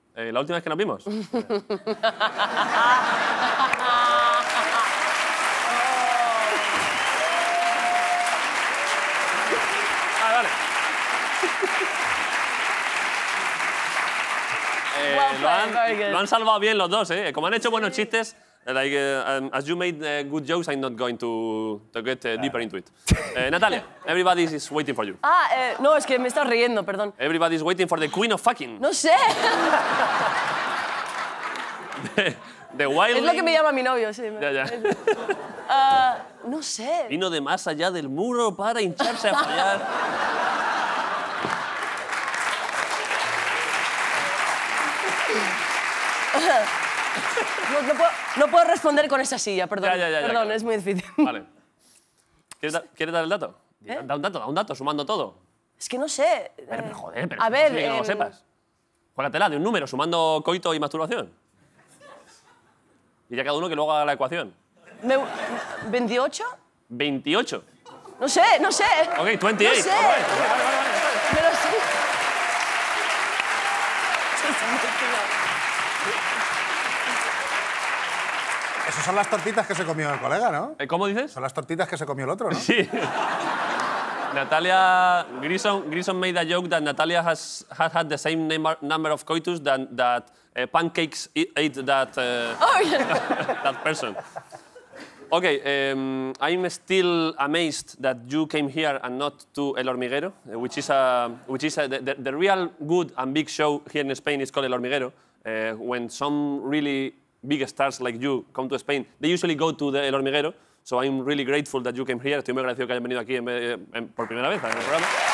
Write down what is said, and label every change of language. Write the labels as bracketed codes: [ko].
[es] ¿La última vez que nos vimos? Vale, vale. Lo han salvado bien los dos, ¿eh? Como han hecho buenos chistes, [en] like, as you made good jokes, I'm not going to get deeper into it. Natalia, everybody is waiting for you. [es] No, es que me estás riendo, perdón. [en] Everybody is waiting for the queen of fucking. [es] No sé. [en] The wildling. [es] Es lo que me llama mi novio, sí. Ya. No sé. Vino de más allá del muro para hincharse a fallar. No puedo responder con esa silla, perdón. Ya, perdón, claro. Es muy difícil. Vale. ¿Quieres dar el dato? ¿Eh? Da un dato, sumando todo. Es que no sé. Pero, joder, que no lo sepas. Juégatela de un número, sumando coito y masturbación. Y ya cada uno que luego haga la ecuación. ¿28? No sé. Ok, 28. No sé. Vale. Pero sí. Esas son las tortitas que se comió el colega, ¿no? ¿Cómo dices? Son las tortitas que se comió el otro, ¿no? Sí. Natalia. [en] Grison made a joke that Natalia has had the same number of coitus that pancakes ate that. That person. Okay, I'm still amazed that you came here and not to El Hormiguero, which is a the real good and big show here in Spain is called El Hormiguero. when some really big stars like you come to Spain, they usually go to the El Hormiguero. So I'm really grateful that you came here. [es] Estoy muy agradecido que hayan venido aquí por primera vez en el programa.